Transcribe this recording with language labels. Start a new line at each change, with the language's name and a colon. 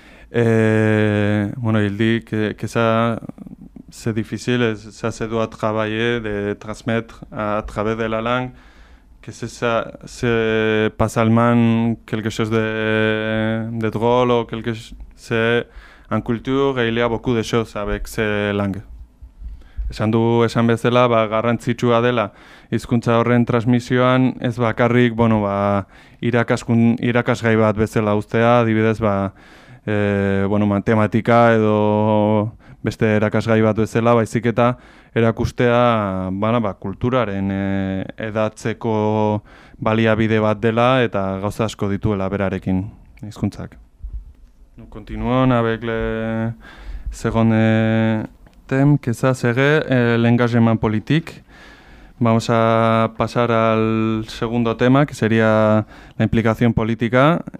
French: Bueno, il dit que ça, c'est difficile, ça se doit travailler, de transmettre à travers de la langue, que c'est pas seulement quelque chose de drôle, ou quelque chose, c'est en culture, et il y a beaucoup de choses avec ces langues.
Basque: Esan du esan bezala, ba, garrantzitsua dela hizkuntza horren transmisioan ez bakarrik, bueno, ba, irakasgai bat bezala uztea, adibidez, ba, bueno, matematika edo beste irakasgai bat bezala, baizik eta erakustea, bana, ba, kulturaren edatzeko baliabide bat dela eta gauza asko dituela berarekin hizkuntzak.
French: Continuon avec le second thème que ça serait l'engagement politique.
Spanish: Vamos a pasar al segundo tema que sería la implicación política.